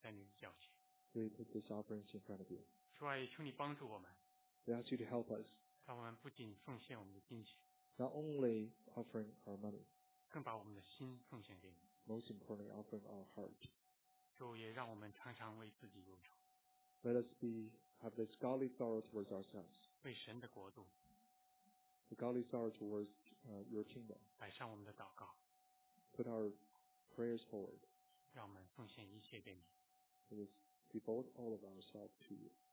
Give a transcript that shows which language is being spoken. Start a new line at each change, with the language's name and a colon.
English: Thank you for giving us this offering heart. We put our brothers and sisters willing to give their offering heart. offering heart. We put this offering in front of you.
Chinese: 主啊，也求你帮助我们。
English: We ask you to help us.
Chinese: 让我们不仅奉献我们的金钱。
English: Not only offering our money.
Chinese: 更把我们的心奉献给你。
English: Most importantly, offering our heart.
Chinese: 主也让我们常常为自己忧愁。
English: Let us be have this godly sorrow towards ourselves.
Chinese: 为神的国度。
English: The godly sorrow towards your kingdom.
Chinese: 摆上我们的祷告。
English: Put our prayers forward.
Chinese: 让我们奉献一切给你。
English: Let us devote all of ourselves to you.